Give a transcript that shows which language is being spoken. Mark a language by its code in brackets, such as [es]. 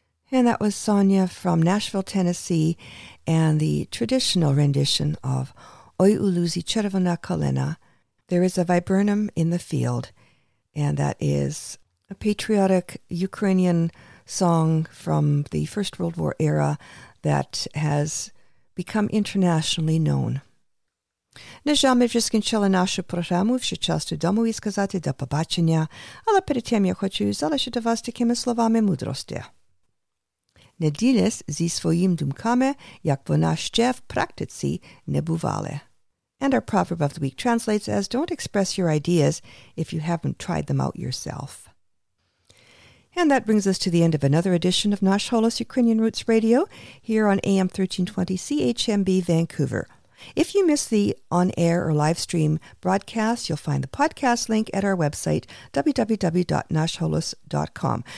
[en] And that was Sonia from Nashville, Tennessee, and the traditional rendition of Oy Uluzi Chervona Kalina. There is a viburnum in the field, and that is a patriotic Ukrainian song from the First World War era that has become internationally known. [uk] Нежами вжискінчили нашу програму, вже час до дому і сказати до побачення, але перед тим я хочу залишити вас такими словами мудрості. Не ділись зі своїм думками, як вона ще в практиці не бувала. [en] And our proverb of the week translates as, don't express your ideas if you haven't tried them out yourself. And that brings us to the end of another edition of Nash Holos Ukrainian Roots Radio here on AM 1320 CHMB Vancouver. If you miss the on-air or live stream broadcast, you'll find the podcast link at our website, www.nashholos.com.